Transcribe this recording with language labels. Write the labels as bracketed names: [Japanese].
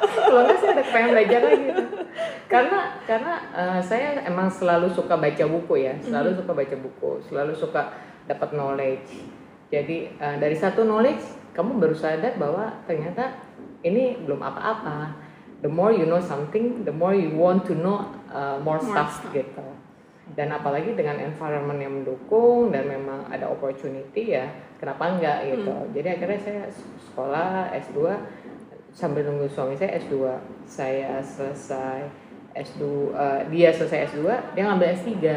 [Indonesian] Kalau nggak sih ada pengen belajar lagi. Karena saya emang selalu suka baca buku ya, selalu suka baca buku, selalu suka dapat knowledge. Jadi dari satu knowledge, kamu baru sadar bahwa ternyata ini belum apa-apa. [English] The more you know something, the more you want to know more stuff [Indonesian] gitu. Dan apalagi dengan environment yang mendukung dan memang ada opportunity ya, kenapa enggak gitu. Jadi akhirnya saya sekolah S2 sambil nunggu suami saya S2. Saya selesai S2, dia selesai S2, dia ngambil S3.